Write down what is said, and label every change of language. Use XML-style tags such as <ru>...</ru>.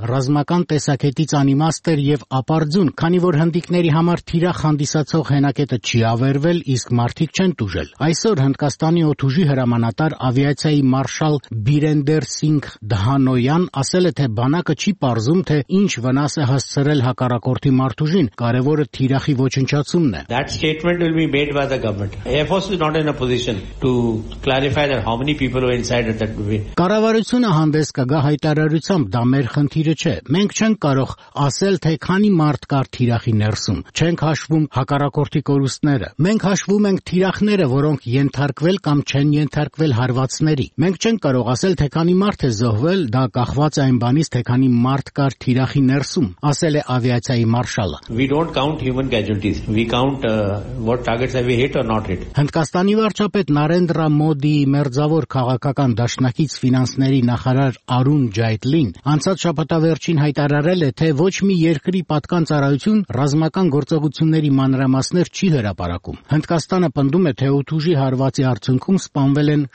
<hy>ռազմական տեսակետից անիմաստ էր և ապարդյուն, քանի որ հնդիկների համար թիրախ հանդիսացող հենակետը չի ավերվել, իսկ մարդիկ չեն տուժել։ Այսօր Հնդկաստանի օթուժի հրամանատար ավիացիայի մարշալ Բիրենդեր Սինգ Դհանոյան ասել է, թե բանակը չի պարզում, թե ինչ վնաս է հասցրել հակառակորդի մարդուժին, կարևորը թիրախի ոչնչացումն է։</hy> <en>That statement will be made by the government. Air Force is not in a position to clarify that how many people were inside at that point.</en> <hy>Կառավարությունը հանդես կգա հայտարարությամբ, դա մեր խնդիրը չէ։ Մենք չենք կարող ասել, թե քանի մարդ կար թիրախի ներսում։ Չենք հաշվում հակառակորդի կորուստները։ Մենք հաշվում ենք թիրախները, որոնք ենթարկվել կամ չեն ենթարկվել հարվածների։ Մենք չենք կարող ասել, թե քանի մարդ է զոհվել, դա կախված է այն բանից, թե քանի մարդ կար թիրախի ներսում, ասել է ավիացիայի մարշալը։</hy> <en>We don't count human casualties. We count what targets have we hit or not hit.</en> <hy>Հնդկաստանի վարչապետ Նարենդրա Մոդի մերձավոր քաղաքական դաշնակից ֆինանսների նախարար Արուն Ջայտլին անցած շաբաթավերջին հայտարարել է, թե ոչ մի երկրի պատկան ծառայություն ռազմական գործողությունների մանրամասներ չի հրապարակում։ Հնդկաստանը պնդում է, թե օթուժի հարվածի արդյունքում սպանվել են</hy>